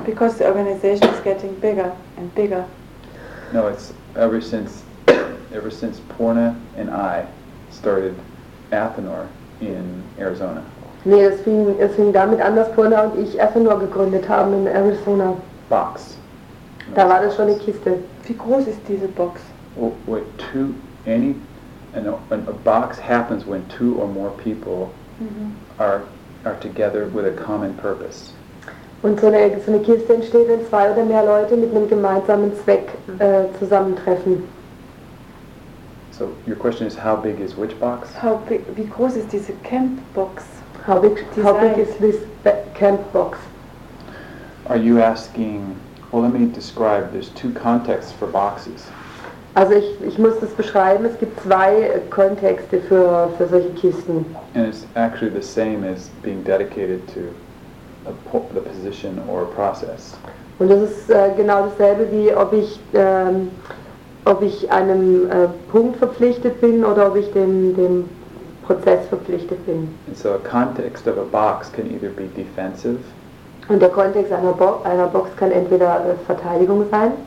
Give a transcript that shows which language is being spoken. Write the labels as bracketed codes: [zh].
[en] Because the organization is getting bigger and bigger. No, it's ever since Porna and I started Athenor in Arizona. [de] Nee, es fing damit an, dass Porna und ich Athenor gegründet haben in Arizona. [en] Box. [de] Da war das schon eine Kiste. Wie groß ist diese Box? [en] A box happens when two or more people mm-hmm. are together with a common purpose. [de] Und so eine Kiste entsteht, wenn zwei oder mehr Leute mit einem gemeinsamen Zweck zusammentreffen. [en] So, your question is, how big is which box? [de] Wie groß ist diese Camp Box? [en] How big is this Camp Box? Are you asking, well, let me describe, there's two contexts for boxes. [de] Also ich muss das beschreiben, es gibt zwei Kontexte für solche Kisten. [en] And it's actually the same as being dedicated to the position or process. [de] Und das ist genau dasselbe wie ob ich einem Punkt verpflichtet bin oder ob ich dem Prozess verpflichtet bin. [en] And so a context of a box can either be defensive. [de] Und der Kontext einer Box kann entweder Verteidigung sein.